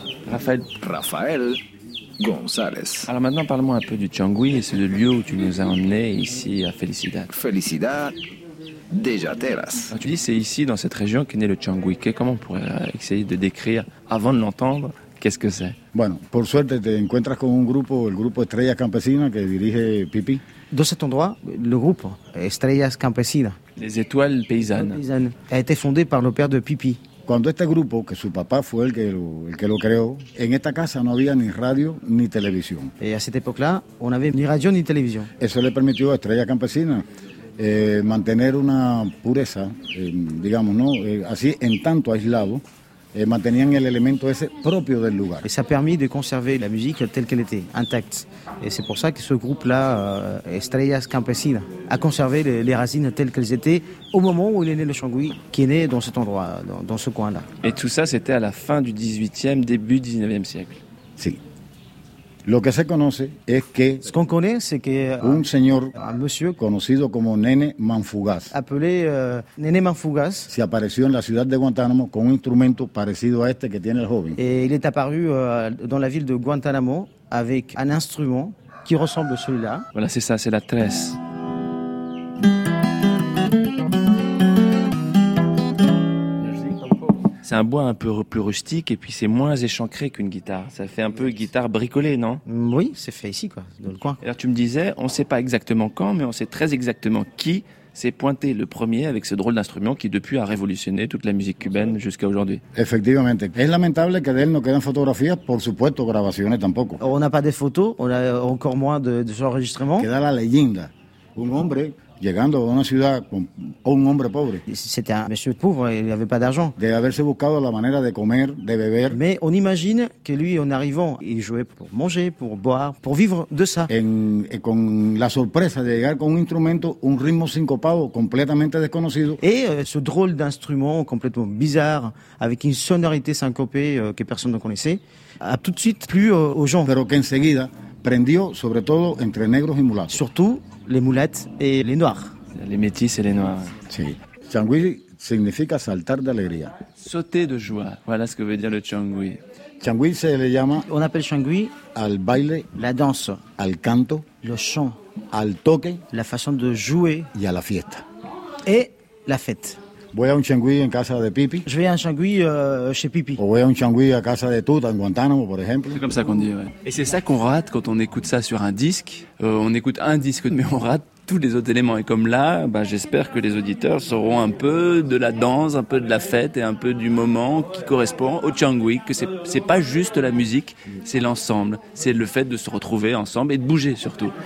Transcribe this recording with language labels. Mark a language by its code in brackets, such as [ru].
[fr] Rafael González. Alors maintenant, parle-moi un peu du Changui et c'est le lieu où tu nous as emmenés ici à Felicidad. Felicidad de Jateras. Alors, tu dis c'est ici, dans cette région, qu'est né le Changui. Comment on pourrait essayer de décrire, avant de l'entendre, qu'est-ce que c'est? [es] Bueno, por suerte, te encuentras con un grupo, el grupo Estrella Campesina, que dirige Pipi. [fr] De cet endroit, le groupe Estrellas Campesinas. Les étoiles paysannes. A été fondé par le père de Pipi. [es] Cuando este grupo, que su papá fue el que lo creó, en esta casa no había ni radio ni televisión. [fr] Y a cette époque-là, on n'avait ni radio ni televisión. [es] Eso le permitió a Estrella Campesina mantener una pureza, digamos, ¿no? Así, en tanto aislado, mantenían el elemento ese propio del lugar. [fr] Y ça a permis de conserver la musique telle qu'elle était, intacte. Et c'est pour ça que ce groupe-là, Estrellas Campesinas, a conservé les racines telles qu'elles étaient au moment où il est né le Changui, qui est né dans cet endroit, dans ce coin-là. Et tout ça, c'était à la fin du 18e, début 19e siècle. [es] Si. Lo que se conoce es que... [fr] Ce qu'on connaît, c'est que... [es] Un señor... [fr] Un monsieur... [es] Conocido como Nene Manfugas. [fr] Appelé Nene Manfugas. [es] Se apareció en la ciudad de Guantánamo con un instrumento parecido a este que tiene el joven. [fr] Et il est apparu dans la ville de Guantánamo avec un instrument qui ressemble à celui-là. Voilà, c'est ça, c'est la tresse. C'est un bois un peu plus rustique et puis c'est moins échancré qu'une guitare. Ça fait un peu guitare bricolée, non ? Oui, c'est fait ici, quoi, dans le coin. Alors tu me disais, on ne sait pas exactement quand, mais on sait très exactement qui s'est pointé le premier avec ce drôle d'instrument qui depuis a révolutionné toute la musique cubaine jusqu'à aujourd'hui. Effectivement. [es] Es lamentable que d'elle no queden fotografías, por supuesto, grabaciones tampoco. [fr] On n'a pas de photos, on a encore moins de enregistrements. [es] Queda la leyenda, un hombre... Llegando a una ciudad con un hombre pobre. [fr] C'était un monsieur pauvre, il n'avait pas d'argent. [es] De haberse buscado la manera de comer, de beber. [fr] Mais on imagine que lui, en arrivant, il jouait pour manger, pour boire, pour vivre de ça. [es] Et con la sorpresa de llegar con un instrumento, un ritmo sincopado, completamente desconocido. [fr] Et ce drôle d'instrument complètement bizarre, avec une sonorité syncopée que personne ne connaissait, a tout de suite plu aux gens. [es] Pero que enseguida prendió, sobre todo entre negros y mulatos. [fr] Surtout les moulettes et les noirs. Les métis et les noirs. [es] Sí. Changui significa saltar de alegría. [fr] Sauter de joie. Voilà ce que veut dire le changui. [es] Changui se le llama... [fr] On appelle changui... [es] Al baile... [fr] La danse... [es] Al canto... [fr] Le chant... [es] Al toque... [fr] La façon de jouer... [es] Y a la fiesta. [fr] Et la fête. [es] Voy a un changui en casa de Pipi. [fr] Je vais à un changui chez Pipi. [es] O voy a un changui a casa de Tuta en Guantánamo, por ejemplo. [fr] C'est comme ça qu'on dit, ouais. Et c'est ça qu'on rate quand on écoute ça sur un disque. On écoute un disque, mais on rate tous les autres éléments. Et comme là, bah, j'espère que les auditeurs sauront un peu de la danse, un peu de la fête et un peu du moment qui correspond au changui. Que c'est pas juste la musique, c'est l'ensemble. C'est le fait de se retrouver ensemble et de bouger surtout.